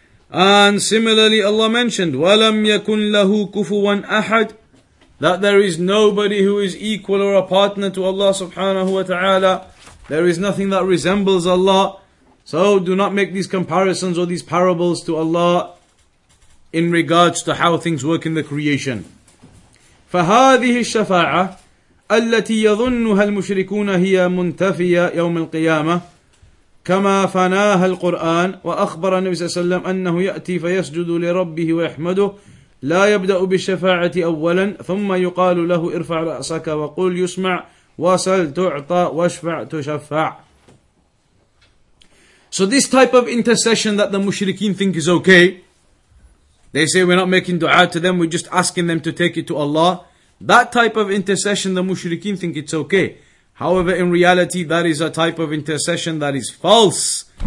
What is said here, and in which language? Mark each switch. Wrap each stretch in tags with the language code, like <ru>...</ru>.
<en>And similarly, Allah mentioned,</en> <ar>وَلَمْ يَكُنْ لَهُ كُفُوًا أَحَدٍ,</ar> <en>that there is nobody who is equal or a partner to Allah subhanahu wa ta'ala. There is nothing that resembles Allah. So do not make these comparisons or these parables to Allah in regards to how things work in the creation.</en> <ar>فَهَذِهِ الشَّفَاعَةِ التي يظنها المشركون هي منتفية يوم القيامة كما فناها القرآن وأخبر النبي صلى الله عليه وسلم أنه يأتي فيسجد لربه ويحمده لا يبدأ بالشفاعة أولا ثم يقال له ارفع رأسك وقل يسمع وصل تعطى واشفع تشفع.</ar> <en>So this type of intercession that the mushrikeen think is okay, they say we're not making dua to them, we're just asking them to take it to Allah. That type of intercession, the mushrikeen think it's okay. However, in reality, that is a type of intercession that is false.</en>